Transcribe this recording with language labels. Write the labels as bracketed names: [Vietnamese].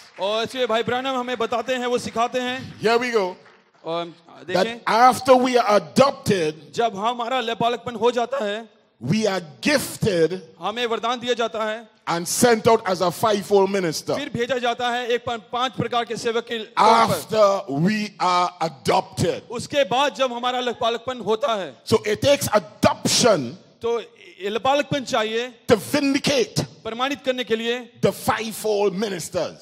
[Hindi] और इसलिए भाई ब्रैनम हमें बताते हैं, वो सिखाते हैं. [English] Here we go. That after we are adopted, [Hindi] जब हमारा लेपालकपन हो जाता है, [English] we are gifted, [Hindi] हमें वरदान दिया जाता है, [English] and sent out as a fivefold minister. [Hindi] फिर भेजा जाता है एक पांच प्रकार के सेवक के. [English] After we are adopted, [Hindi] उसके बाद जब हमारा लेपालकपन होता है, [English] so it takes adoption, [Hindi] तो लेपालकपन चाहिए, [English] to vindicate, [Hindi] प्रमाणित करने के लिए, [English] the fivefold ministers,